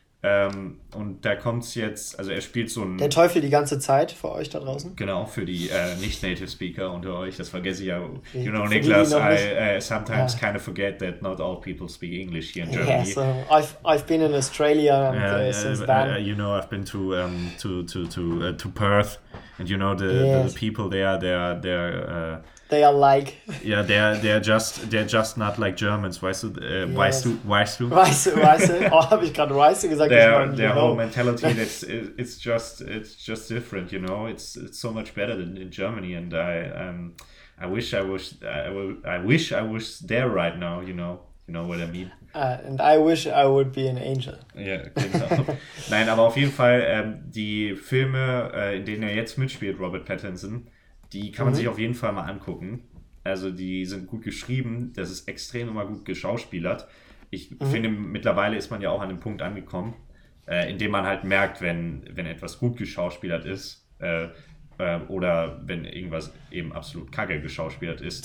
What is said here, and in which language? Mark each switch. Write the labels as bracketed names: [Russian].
[German] Und da kommt es jetzt, also er spielt so einen... Der Teufel die ganze Zeit für euch da draußen? Genau, für die Nicht-Native-Speaker unter euch, das vergesse ich ja. [English] You know, Niklas, I sometimes kind of forget that not all people speak English here in Germany. so I've been in Australia since then. You know, I've been to Perth, and you know the people there, they're just not like Germans, [German] weißt du, habe ich gerade weißt du gesagt, [English] their whole mentality it's just different, you know, it's so much better than in Germany, and I wish I was there right now, you know what I mean, and I wish I would be an angel. [German] Ja, genau. Nein, aber auf jeden Fall die Filme, in denen er jetzt mitspielt, Robert Pattinson, die kann man sich auf jeden Fall mal angucken. Also die sind gut geschrieben, das ist extrem immer gut geschauspielert. Ich finde, mittlerweile ist man ja auch an dem Punkt angekommen, in dem man halt merkt, wenn etwas gut geschauspielert ist oder wenn irgendwas eben absolut kacke geschauspielert ist.